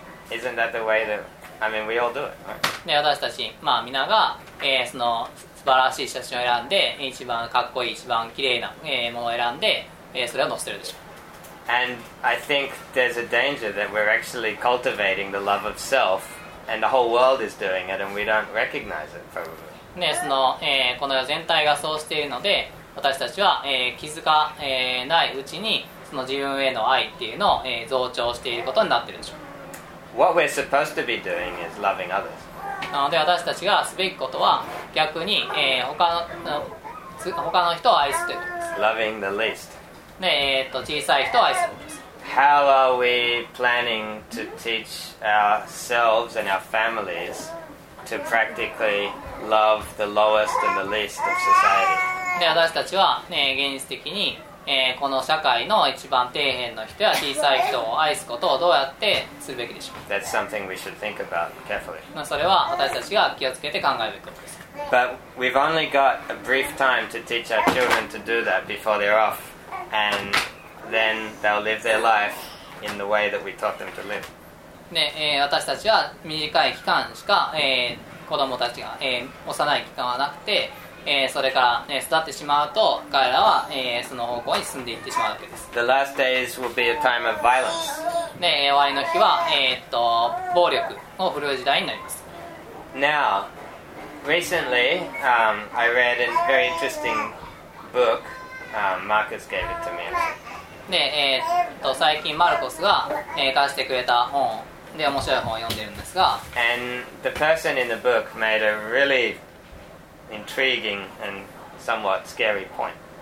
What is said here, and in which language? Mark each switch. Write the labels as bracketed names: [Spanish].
[English] Isn't that the way that, I mean, we all do it, right? [Japanese] で、私たち、まあ皆が、その、素晴らしい写真を選んで一番かっこいい一番綺麗なものを選んで、それを載せるでしょう。 [English] And I think there's a danger that we're actually cultivating the love of self and the whole world is doing it and we don't recognize it probably. [Japanese] ね、その、この世全体がそうしているので私たちは、気づか、ないうちにその自分への愛っていうのを、増長していることになっているでしょう。 [English] What we're supposed to be doing is loving others. [Japanese] なので私たちがすべきことは逆に、他の人を愛すということです。 [English] Loving the least. [Japanese] で、小さい人を愛すことです。 [English] How are we planning to teach ourselves and our families to practically love the lowest and the least of society? [Japanese] で、私たちは、ね、現実的に、この社会の一番底辺の人や小さい人を愛すことをどうやってするべきでしょう。 [English] That's something we should think about carefully. [Japanese] それは私たちが気をつけて考えるべきことです。 [English] But we've only got a brief time to teach our children to do that before they're off and then they'll live their life in the way that we taught them to live. [Japanese] で、私たちは短い期間しか、子供たちが、幼い期間はなくて、それから、ね、育ってしまうと彼らは、その方向に進んでいってしまうわけです。 [English] The last days will be a time of violence. [Japanese] 終わりの日は、暴力を振るう時代になります。 [English] Now, recently, I read a very interesting book. Marcus gave it to me. [Japanese] 最近マルコスが、貸してくれた本で面白い本を読んでいるんですが、 [English] And the person in the book made a reallyintriguing and somewhat scary point.